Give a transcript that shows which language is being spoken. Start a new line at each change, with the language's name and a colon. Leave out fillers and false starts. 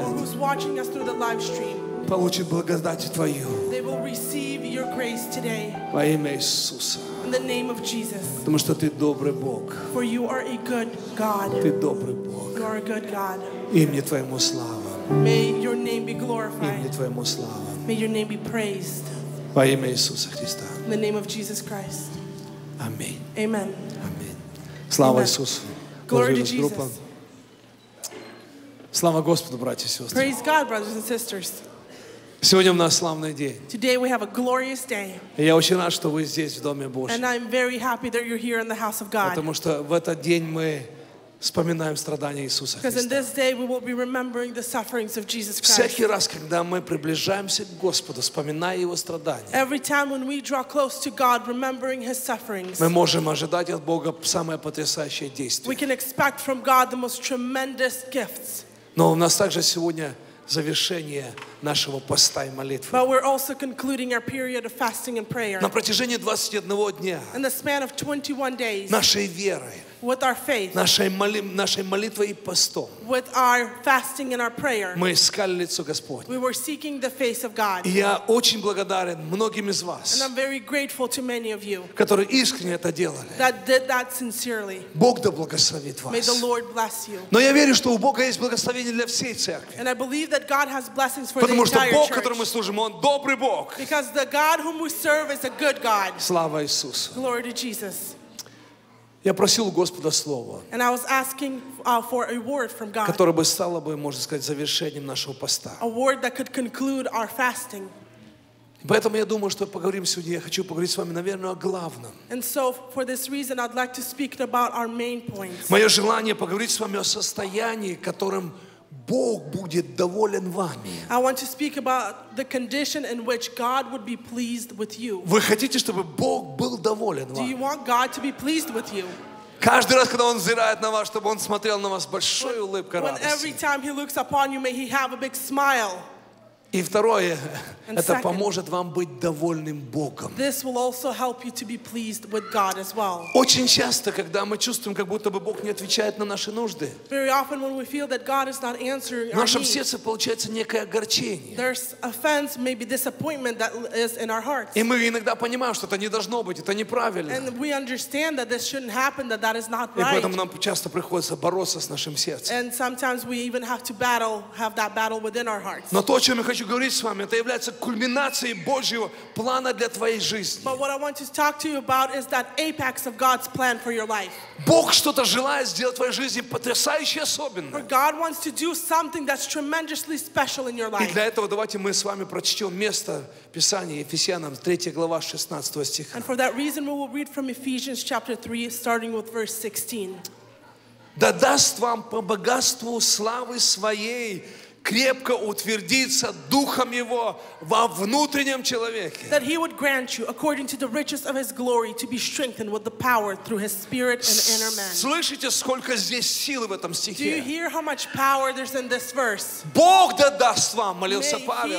English: Or who's watching us through the live stream.
Russian: Получит благодать Твою.
English: They will receive your grace today.
Russian: Во имя Иисуса.
English: In the name of Jesus.
Russian: Потому что Ты добрый Бог.
English: For you are a good God.
Russian: Ты добрый Бог.
English: You are a good God.
Russian: Имя Твоему слава.
English: May your name be glorified.
Russian: Имя Твоему слава.
English: May your name be praised.
Russian: Во имя Иисуса Христа.
English: In the name of Jesus Christ.
Russian: Аминь.
English: Amen.
Russian: Amen. Слава Иисусу.
English: Glory to Jesus.
Russian: Слава Господу, братья и сестры.
English: Praise God, brothers and sisters.
Russian: Сегодня у нас славный день.
English: Today we have a glorious day.
Russian: И я очень рад, что вы здесь, в Доме Божьем.
English: And I'm very happy that you're here in the house of God.
Russian: Потому что в этот день мы вспоминаем страдания Иисуса Христа.
English: Because in this day we will be remembering the sufferings of Jesus Christ.
Russian: Всякий раз, когда мы приближаемся к Господу, вспоминая Его страдания.
English: Every time when we draw close to God, remembering His sufferings.
Russian: Мы можем ожидать от Бога самое потрясающее действие.
English: We can expect from God the most tremendous gifts.
Russian: Но у нас также сегодня завершение нашего поста и молитвы.
English: But we're also concluding our period of fasting and prayer.
Russian: На протяжении 21 дня.
English: In the span of 21 days.
Russian: Нашей веры.
English: With our faith.
Russian: Нашей молитвой и постом.
English: With our fasting and our prayer.
Russian: Мы искали лицо Господне.
English: We were seeking the face of God.
Russian: И я очень благодарен многим из вас.
English: And I'm very grateful to many of you.
Russian: Которые искренне это делали.
English: That did that sincerely.
Russian: Бог да благословит вас.
English: May the Lord bless you.
Russian: Но я верю, что у Бога есть благословение для всей церкви.
English: And I believe that God has blessings for the entire church.
Russian: Потому что Бог, которому мы служим, Он добрый Бог.
English: Because the God whom we serve is a good God.
Russian: Слава Иисусу.
English: Glory to Jesus.
Russian: Я просил у Господа слова,
English: and I was asking for a word from God,
Russian: которое бы стало бы, можно сказать, завершением нашего поста.
English: A word that could conclude our fasting.
Russian: Поэтому я думаю, что поговорим сегодня. Я хочу поговорить с вами, наверное, о главном.
English: And so, for this reason, I'd like to speak about our main points.
Russian: Мое желание поговорить с вами о состоянии, которым Бог будет доволен вами.
English: I want to speak about the condition in which God would be pleased with you.
Russian: Вы хотите, чтобы Бог был доволен вами?
English: Do you want God to be pleased with you?
Russian: Каждый раз, когда Он взирает на вас, чтобы Он смотрел на вас большой улыбкой радости.
English: When every time He looks upon you, may He have a big smile.
Russian: И второе,
English: and
Russian: это
English: second,
Russian: поможет вам быть довольным Богом.
English: This will also help you to be pleased with God as well.
Russian: Очень часто, когда мы чувствуем, как будто бы Бог не отвечает на наши нужды,
English: very often when we feel that God is not answering our needs,
Russian: в нашем сердце получается некое огорчение.
English: There's offense, maybe disappointment that is in our hearts.
Russian: И мы иногда понимаем, что это не должно быть, это неправильно.
English: And we understand that this shouldn't happen, that that is not right.
Russian: И поэтому нам часто приходится бороться с нашим сердцем.
English: And sometimes we even have to battle, have that battle within our hearts.
Russian: Но то, о чем я хочу говорить с вами, это является кульминацией Божьего плана для твоей жизни.
English: But what I want to talk to you about is that apex of God's plan for your life.
Russian: Бог что-то желает сделать в твоей жизни потрясающе особенное.
English: For God wants to do something that's tremendously special in your life.
Russian: И для этого давайте мы с вами прочтем место Писания Ефесянам 3 глава 16 стиха.
English: And for that reason we will read from Ephesians chapter 3 starting with verse 16.
Russian: Да даст вам по богатству славы своей крепко утвердиться духом Его во внутреннем человеке.
English: That He would grant you, according to the riches of His glory, to be strengthened with the power through His Spirit and inner man.
Russian: Слышите, сколько здесь силы в этом стихе?
English: Do you hear how much power there's in this verse?
Russian: Бог да даст вам, молился Павел.